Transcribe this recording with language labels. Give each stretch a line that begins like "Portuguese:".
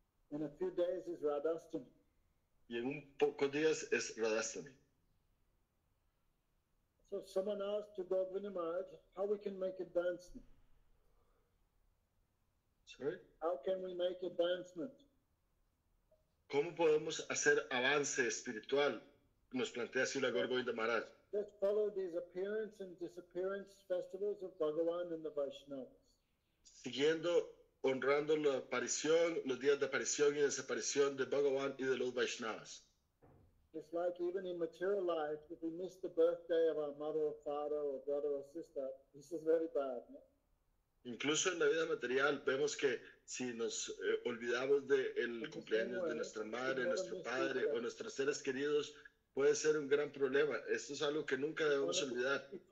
English: In a few days is Radhastami.
Spanish: Y en un poco días es Radhastami.
English: So someone asked to Govinda Maharaj, how we can make advancement? Sorry? How can we make advancement?
Spanish: ¿Cómo podemos hacer avance espiritual? Nos plantea Srila Gaura Govinda Maharaj.
English: Just follow these appearance and disappearance festivals of Bhagavan and the Vaishnavas.
Spanish: Siguiendo honrando la aparición, los días de aparición y desaparición de Bhagavan y de los Vaishnavas.
English: It's like even in material life, if we miss the birthday of our mother or father or brother or sister, this is very bad, no?
Spanish: Incluso en la vida material vemos que si nos olvidamos del cumpleaños de nuestra madre, nuestro padre o nuestros seres queridos, puede ser un gran problema. Esto es algo que nunca debemos olvidar.